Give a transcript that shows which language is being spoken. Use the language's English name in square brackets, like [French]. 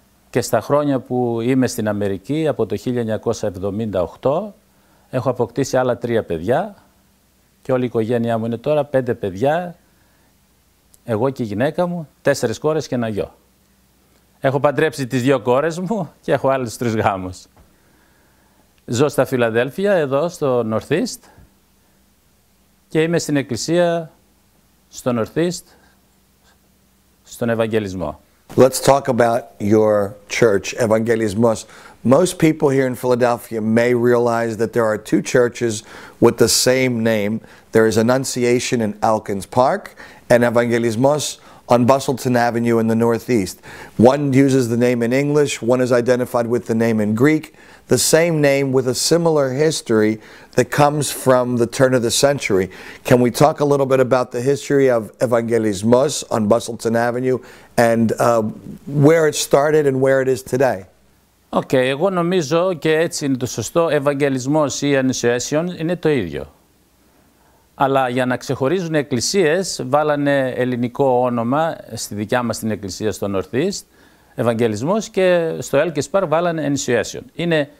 [Greek] Και στα χρόνια που είμαι στην Αμερική, από το 1978, έχω αποκτήσει άλλα 3 παιδιά και όλη η οικογένειά μου είναι τώρα 5 παιδιά, εγώ και η γυναίκα μου, 4 κόρες και ένα γιο. Έχω παντρέψει τις 2 κόρες μου και έχω άλλους 3 γάμους. Ζω στα Φιλαδέλφια, εδώ στο Northeast και είμαι στην εκκλησία στο Northeast, στον Ευαγγελισμό. [English] Let's talk about your church, Evangelismos. Most people here in Philadelphia may realize that there are 2 churches with the same name. There is Annunciation in Elkins Park and Evangelismos on Bustleton Avenue in the Northeast. One uses the name in English, one is identified with the name in Greek. The same name with a similar history that comes from the turn of the century. Can we talk a little bit about the history of Evangelismos on Bustleton Avenue and where it started and where it is today? [Greek] Okay, εγώ νομίζω και έτσι είναι το σωστό, Evangelismos ή Annunciation είναι το ίδιο. Αλλά για να ξεχωρίζουν εκκλησίες, βάλανε ελληνικό όνομα στη δικιά μας την εκκλησία στο Northeast, Ευαγγελισμός, και στο Elkins Park βάλανε Annunciation.